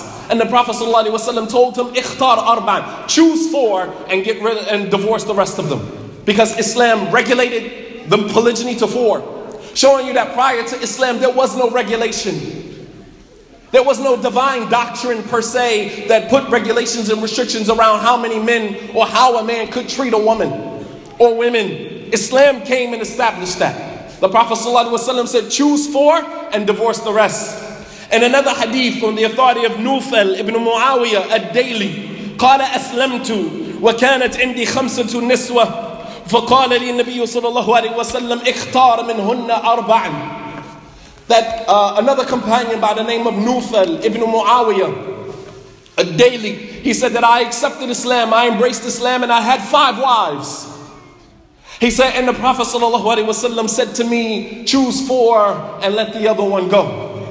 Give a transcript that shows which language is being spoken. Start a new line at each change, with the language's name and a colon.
English: And the Prophet sallallahu alaihi wasallam told him, "Ikhtar arba'an, choose 4 and get rid and divorce the rest of them," because Islam regulated the polygyny to 4, showing you that prior to Islam there was no regulation, there was no divine doctrine per se that put regulations and restrictions around how many men or how a man could treat a woman or women. Islam came and established that. The Prophet sallallahu alaihi wasallam said, "Choose 4 and divorce the rest." And another hadith from the authority of Nufal ibn Muawiyah al-Daili,
Arabic: قال أسلمت وكانت عندي 5 نسوة فقال لي النبي صلى الله عليه وسلم اختار منهن 4.
English: That another companion by the name of Nufal ibn Muawiyah al-Daili, he said that I accepted Islam, I embraced Islam, and I had 5 wives. He said, and the Prophet
Arabic: صلى الله عليه وسلم
English: said to me, choose 4 and let the other one go.